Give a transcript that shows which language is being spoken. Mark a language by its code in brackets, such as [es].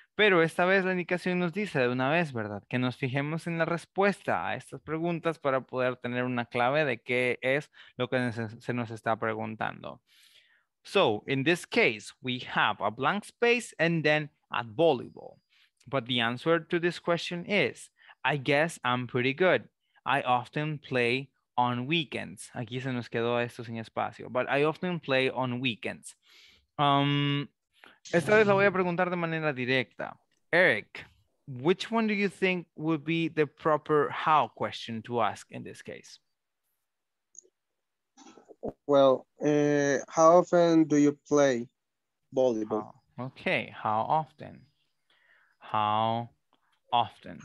[es] Pero esta vez la indicación nos dice de una vez, ¿verdad?, que nos fijemos en la respuesta a estas preguntas para poder tener una clave de qué es lo que se nos está preguntando. [en] So, in this case, we have a blank space and then a volleyball. But the answer to this question is, I guess I'm pretty good. I often play on weekends. [es] Aquí se nos quedó esto sin espacio. [en] But I often play on weekends. [es] Esta vez la voy a preguntar de manera directa. [en] Eric, which one do you think would be the proper how question to ask in this case? Well, how often do you play volleyball? Okay, how often? How often?